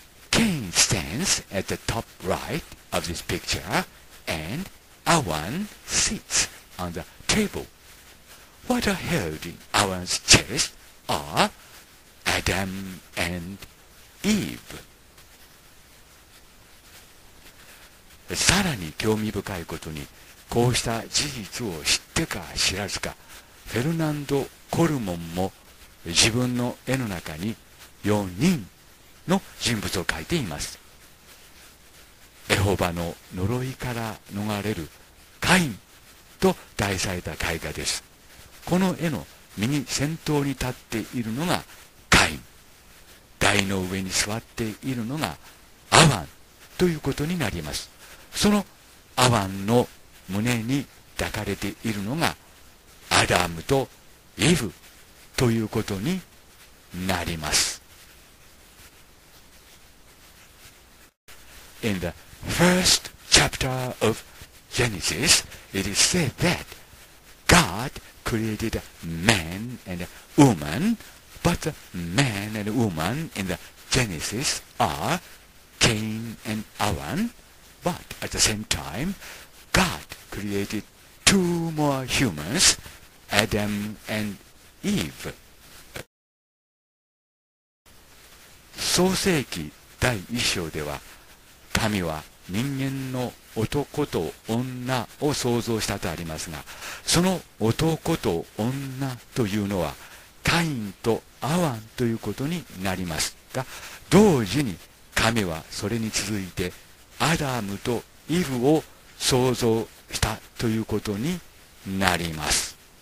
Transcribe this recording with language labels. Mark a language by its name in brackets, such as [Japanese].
[English] Cain stands at the top right of this picture and Awan sits on the table. What are held in Awan's chest are Adam and Eve. [Japanese] さらに興味深いことに、こうした事実を知ってか知らずか、フェルナンド・コルモンも自分の絵の中に4人の人物を描いています。エホバの呪いから逃れるカインと題された絵画です。この絵の右先頭に立っているのがカイン、台の上に座っているのがアワンということになります。そのアワンの胸に抱かれているのがアダムとイブということになります。 [English] In the first chapter of Genesis, it is said that Godcreated a man and a woman, but the man and woman in the Genesis are Cain and Awan, but at the same time, God created two more humans, Adam and Eve. [Japanese] 創世記第一章では、神は人間の男と女を創造したとありますが、その男と女というのはカインとアワンということになりますが、同時に神はそれに続いてアダムとイブを創造したということになります。